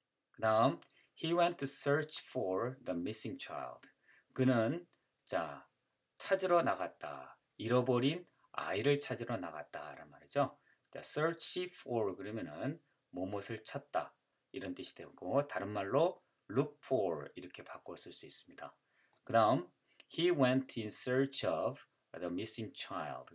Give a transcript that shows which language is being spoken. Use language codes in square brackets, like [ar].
[en] 그 다음, he went to search for the missing child. [ko] 그는, 자, 찾으러 나갔다. 잃어버린 아이를 찾으러 나갔다. 라는 말이죠. 자, search for, 그러면은, 무엇을 찾다. 이런 뜻이 되고, 다른 말로 look for. 이렇게 바꿔 쓸수 있습니다. [en] 그 다음, he went in search of the missing child.